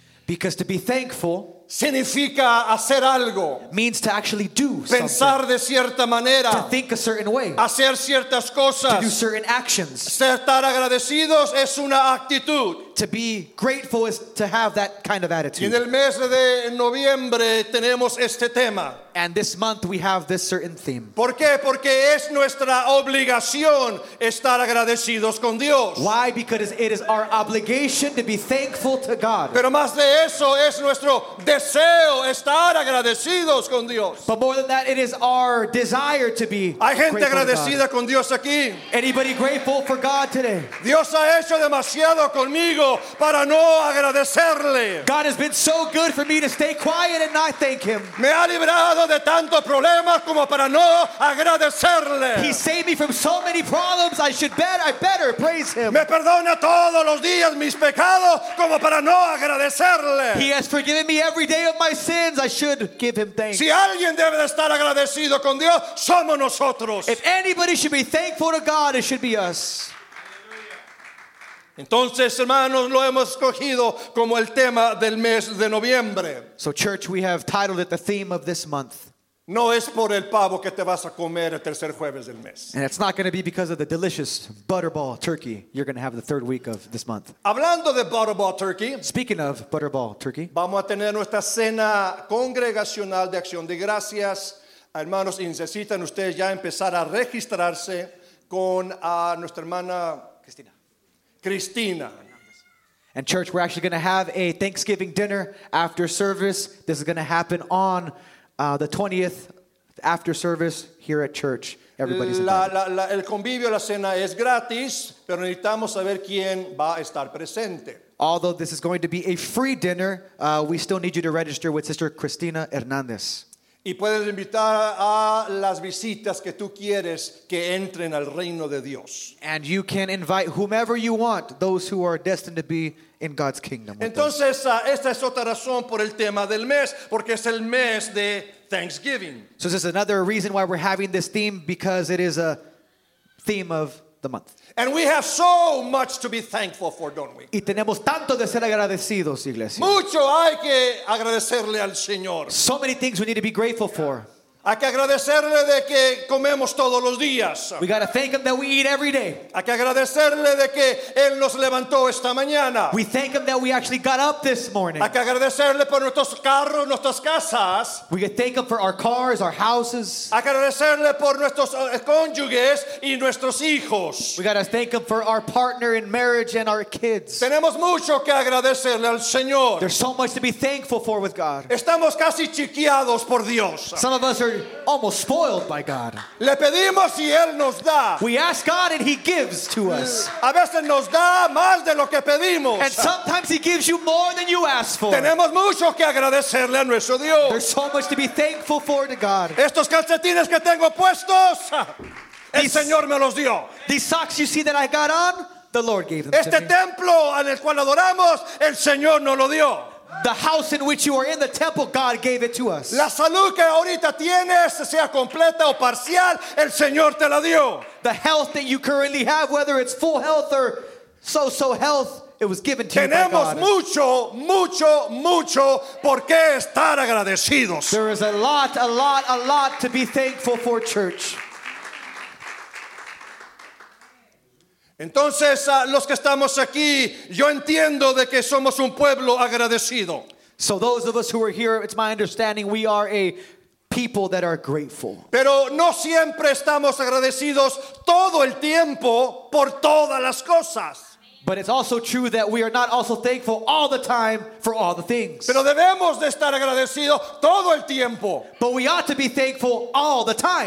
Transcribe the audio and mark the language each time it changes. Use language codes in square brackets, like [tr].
[en] because to be thankful, [es] significa hacer algo. [en] Means to actually do something. [es] Pensar de cierta manera. [en] To think a certain way. [es] Hacer ciertas cosas. [en] To do certain actions. [es] Estar agradecidos es una actitud. [en] To be grateful is to have that kind of attitude. [es] Y en el mes de noviembre tenemos este tema. [en] And this month we have this certain theme. [es] ¿Por qué? Porque es nuestra obligación estar agradecidos con Dios. [en] Why? Because it is our obligation to be thankful to God. [es] Pero más de eso es nuestro deseo estar agradecidos con Dios. [en] But more than that, it is our desire to be grateful. [es] Hay gente agradecida con Dios aquí. [en] Anybody grateful for God today? [es] Dios ha hecho demasiado conmigo para no agradecerle. [en] God has been so good for me to stay quiet and not thank him. [es] Me ha librado de tantos problemas como para no agradecerle. [en] He saved me from so many problems, I better praise him. [es] Me perdona todos los días mis pecados como para no agradecerle. [en] He has forgiven me every day of my sins, I should give him thanks. [es] Si alguien debe de estar agradecido con Dios, somos nosotros. [en] If anybody should be thankful to God, it should be us. [es] Entonces, hermanos, lo hemos escogido como el tema del mes de noviembre. [en] So, church, we have titled it the theme of this month. [es] No es por el pavo que te vas a comer el tercer jueves del mes. [en] And it's not going to be because of the delicious butterball turkey you're going to have the third week of this month. [es] Hablando de butterball turkey. [en] Speaking of butterball turkey. [es] Vamos a tener nuestra cena congregacional de Acción de Gracias. Hermanos, necesitan ustedes ya empezar a registrarse con nuestra hermana Cristina. Cristina. [en] And church, we're actually going to have a Thanksgiving dinner after service. This is going to happen on the 20th after service here at church. Everybody's invited. [es] El convivio, la cena es gratis, pero necesitamos saber quién va a estar presente. [en] Although this is going to be a free dinner, we still need you to register with Sister Cristina Hernandez. [es] Y puedes invitar a las visitas que tú quieres que entren al reino de Dios. [en] And you can invite whomever you want, those who are destined to be in God's kingdom. [es] Entonces, esta es otra razón por el tema del mes, porque es el mes de Thanksgiving. [en] So this is another reason why we're having this theme, because it is a theme of the month. And we have so much to be thankful for, don't we? [es] Y tenemos tanto de ser agradecidos, iglesia. Mucho hay que agradecerle al Señor. [en] So many things we need to be grateful for. [es] Hay que agradecerle de que comemos todos los días. [en] We got to thank him that we eat every day. [es] Hay que agradecerle de que él nos levantó esta mañana. [en] We thank him that we actually got up this morning. [es] Hay que agradecerle por nuestros carros, nuestras casas. [en] We got to thank him for our cars, our houses. [es] Hay que agradecerle por nuestros cónyuges y nuestros hijos. [en] We got to thank him for our partner in marriage and our kids. [es] Tenemos mucho que agradecerle al Señor. [en] There's so much to be thankful for with God. [es] Estamos casi chiqueados por Dios. [en] Some of us are almost spoiled by God. [es] Le pedimos y él nos da. [en] We ask God and he gives to us. [es] A veces nos da más de lo que pedimos. [en] And sometimes he gives you more than you ask for. [es] Tenemos mucho que agradecerle a nuestro Dios. [en] There's so much to be thankful for to God. [es] Estos calcetines que tengo puestos, el Señor me los dio. [en] These socks you see that I got on, the Lord gave them to me. [es] Este templo en el cual adoramos, el Señor nos lo dio. [en] The house in which you are in, the temple, God gave it to us. [es] La salud que ahorita tienes, sea completa o parcial, el Señor te la dio. [en] The health that you currently have, whether it's full health or so-so health, it was given to you by God. [es] Tenemos mucho, mucho, mucho por qué estar agradecidos. [en] There is a lot, a lot, a lot to be thankful for, church. [es] Entonces, los que estamos aquí, yo entiendo de que somos un pueblo agradecido. [en] So those of us who are here, it's my understanding we are a people that are grateful. [es] Pero no siempre estamos agradecidos todo el tiempo por todas las cosas. [en] But it's also true that we are not also thankful all the time for all the things. [es] Pero debemos de estar agradecidos todo el tiempo. [en] But we ought to be thankful all the time.